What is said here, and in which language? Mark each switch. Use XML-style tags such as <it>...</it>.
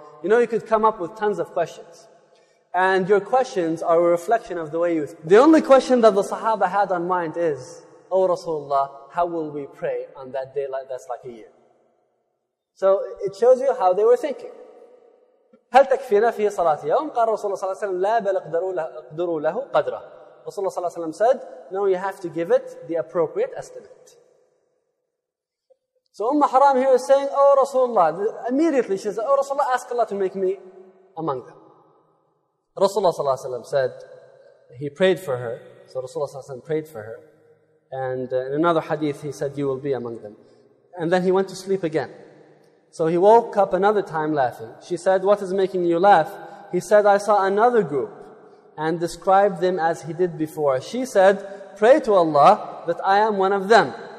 <en>You know, you could come up with tons of questions. And your questions are a reflection of the way you think. The only question that the Sahaba had on mind is, O Rasulullah, how will we pray on that day like that's like a year? So it shows you how they were thinking.</en> <ar>هل تكفينا في صلاة يوم؟ قال رسول الله صلى الله عليه وسلم لا بل اقدروا له قدره.</ar> <en>رسول الله صلى الله عليه وسلم said, no, you have to give it the appropriate estimate. So Umm Haram here is saying, oh Rasulullah, immediately she says, oh Rasulullah, ask Allah to make me among them. رسول الله صلى الله عليه وسلم said, he prayed for her. So رسول الله صلى الله عليه وسلم prayed for her. And in another hadith he said, you will be among them. And then he went to sleep again. So he woke up another time laughing. She said, what is making you laugh? He said, I saw another group and described them as he did before. She said, pray to Allah that I am one of them.</en>